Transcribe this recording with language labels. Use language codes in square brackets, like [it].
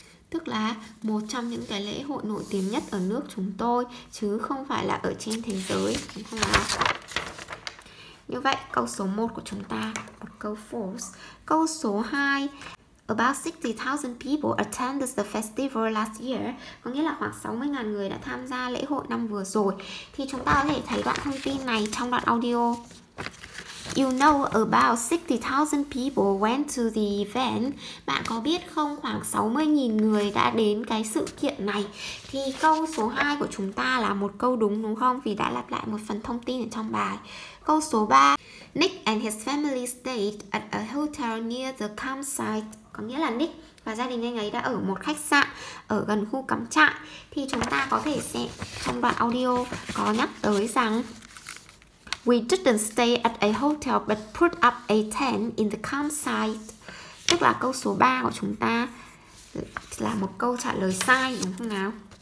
[vi] Tức là một trong những cái lễ hội nổi tiếng nhất ở nước chúng tôi, chứ không phải là ở trên thế giới, đúng không nào? Như vậy câu số 1 của chúng ta, câu false. Câu số 2: [en] About 60,000 people attended the festival last year. [vi] Có nghĩa là khoảng 60.000 người đã tham gia lễ hội năm vừa rồi. Thì chúng ta có thể thấy đoạn thông tin này trong đoạn audio. [en] You know about 60,000 people went to the event. [vi] Bạn có biết không, khoảng 60.000 người đã đến cái sự kiện này. Thì câu số 2 của chúng ta là một câu đúng, đúng không? Vì đã lặp lại một phần thông tin ở trong bài. Câu số 3: [en] Nick and his family stayed at a hotel near the campsite. [vi] Có nghĩa là Nick và gia đình anh ấy đã ở một khách sạn ở gần khu cắm trại. Thì chúng ta có thể xem trong đoạn audio có nhắc tới rằng [en] We didn't stay at a hotel but put up a tent in the campsite. [vi] Tức là câu số 3 của chúng ta là một câu trả lời sai, đúng không nào?